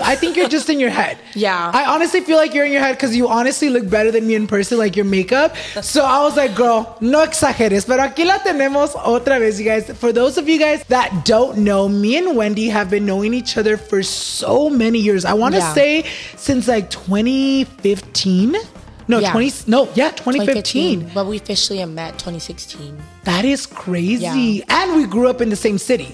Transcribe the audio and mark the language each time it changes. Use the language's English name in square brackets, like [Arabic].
[English] I think you're just in your head. Yeah. I honestly feel like you're in your head because you honestly look better than me in person, like your makeup. So I was like, girl, [Spanish] no exageres. Pero aquí la tenemos otra vez, [English] you guys. For those of you guys that don't know, me and Wendy have been knowing each other for so many years. I want to say since like 2015. No, yeah. 2015. But we officially met 2016. That is crazy. Yeah. And we grew up in the same city.